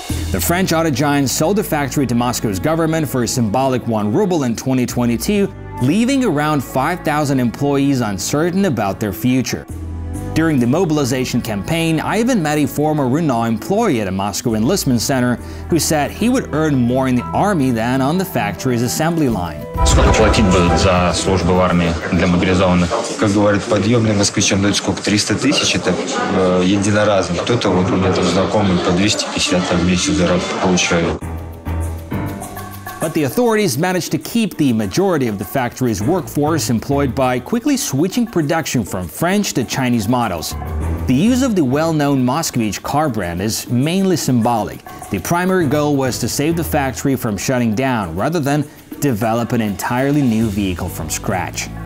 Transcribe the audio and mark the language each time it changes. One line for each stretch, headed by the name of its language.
English: The French auto giant sold the factory to Moscow's government for a symbolic 1 ruble in 2022, leaving around 5,000 employees uncertain about their future. During the mobilization campaign, Ivan met a former Renault employee at a Moscow enlistment center who said he would earn more in the army than on the factory's assembly line.
Russian: Сколько платить будут за службу в армии для мобилизованных? Как говорят, подъем для москвичей дают сколько? 300 тысяч? Это единоразово. Кто-то вот у меня там знакомый по 250 там, в месяц заработок получает.
English: But the authorities managed to keep the majority of the factory's workforce employed by quickly switching production from French to Chinese models. The use of the well-known Moskvich car brand is mainly symbolic. The primary goal was to save the factory from shutting down rather than develop an entirely new vehicle from scratch.